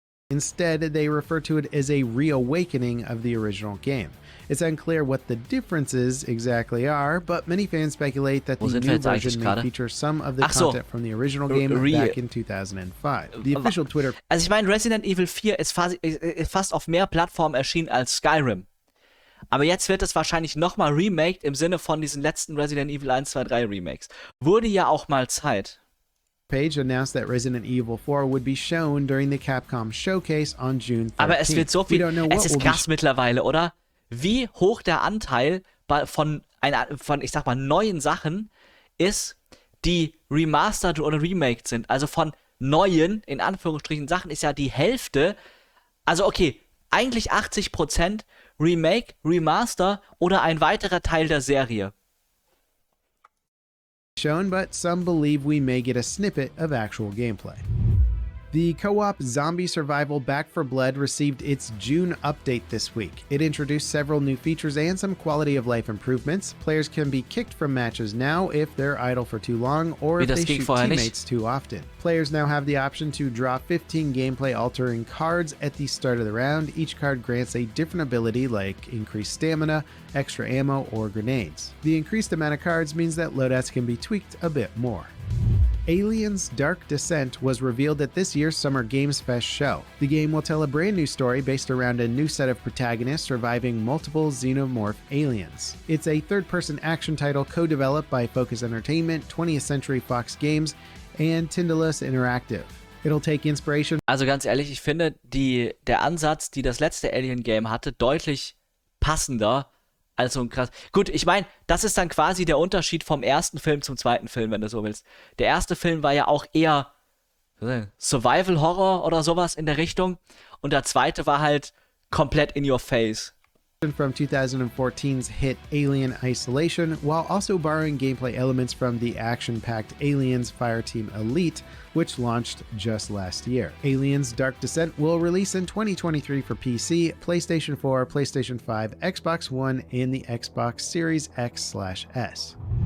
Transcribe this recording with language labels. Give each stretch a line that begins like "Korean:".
English: Instead, they refer to it as a reawakening of the original game. It's unclear what the differences exactly are, but many fans speculate that the new version may feature some of the content from the original game back in 2005. The official Twitter...
German: Also ich meine, Resident Evil 4 ist fast auf mehr Plattformen erschienen als Skyrim. Aber jetzt wird es wahrscheinlich nochmal remaked im Sinne von diesen letzten Resident Evil 1, 2, 3 Remakes. Wurde ja auch mal Zeit.
English: Page announced that Resident Evil 4 would be shown during the Capcom Showcase on June 13th.
German: Aber es wird so viel, es ist krass mittlerweile, oder? Wie hoch der Anteil von ich sag mal, neuen Sachen ist, die remastered oder remaked sind. Also von neuen, in Anführungsstrichen, Sachen ist ja die Hälfte, also okay, eigentlich 80% Remake, Remaster oder ein weiterer Teil der Serie.
English: Shown, but some believe we may get a snippet of actual gameplay. The co-op zombie survival Back 4 Blood received its June update this week. It introduced several new features and some quality of life improvements. Players can be kicked from matches now if they're idle for too long or if they shoot teammates too often. Players now have the option to draw 15 gameplay altering cards at the start of the round. Each card grants a different ability like increased stamina, extra ammo, or grenades. The increased amount of cards means that loadouts can be tweaked a bit more. Aliens Dark Descent was revealed at this year's Summer Games Fest show. The game will tell a brand new story based around a new set of protagonists surviving multiple xenomorph aliens. It's a third-person action title co-developed by Focus Entertainment, 20th Century Fox Games, and Tindalus Interactive. It'll take inspiration.
German: Also ganz ehrlich, ich finde der Ansatz, die das letzte Alien Game hatte, deutlich passender. Also ein krass. Gut, ich meine, das ist dann quasi der Unterschied vom ersten Film zum zweiten Film, wenn du so willst. Der erste Film war ja auch eher Survival Horror oder sowas in der Richtung. Und der zweite war halt komplett
English: in your face. From 2014's hit Alien Isolation, while also borrowing gameplay elements from the action-packed Aliens Fireteam Elite, which launched just last year. Aliens Dark Descent will release in 2023 for PC, PlayStation 4, PlayStation 5, Xbox One, and the Xbox Series X/S.